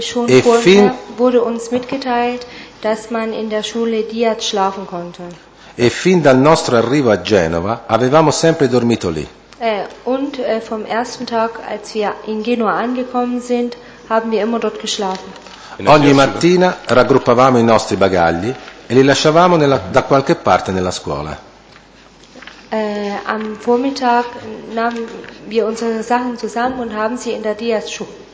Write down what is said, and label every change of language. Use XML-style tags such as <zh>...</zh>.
<de>E fin wurde uns mitgeteilt, dass man in der Schule Diaz schlafen konnte.</de> <it>E fin dal nostro arrivo a Genova avevamo sempre dormito lì.</it> <de>Und vom ersten Tag, als wir in Genua angekommen sind, haben wir immer dort geschlafen.</de> <it>Ogni mattina raggruppavamo i nostri bagagli e li lasciavamo da qualche parte nella scuola.</it> <de>Am Vormittag nahmen wir unsere Sachen zusammen und haben sie in der Diaz Schule.</de>